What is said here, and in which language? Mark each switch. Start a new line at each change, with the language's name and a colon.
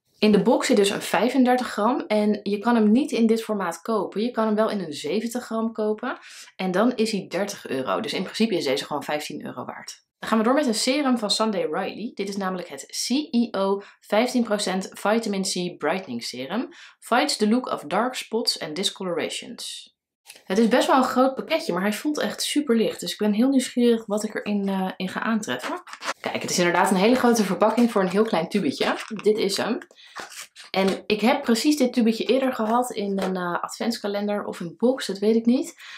Dutch: In de box zit dus een 35 gram en je kan hem niet in dit formaat kopen. Je kan hem wel in een 70 gram kopen en dan is hij 30 euro. Dus in principe is deze gewoon 15 euro waard. Dan gaan we door met een serum van Sunday Riley. Dit is namelijk het CEO 15% Vitamin C Brightening Serum.
English: Fights the look of dark spots and discolorations.
Dutch: Het is best wel een groot pakketje, maar hij voelt echt super licht. Dus ik ben heel nieuwsgierig wat ik erin in ga aantreffen. Kijk, het is inderdaad een hele grote verpakking voor een heel klein tubetje. Dit is hem. En ik heb precies dit tubetje eerder gehad in een adventskalender of een box, dat weet ik niet.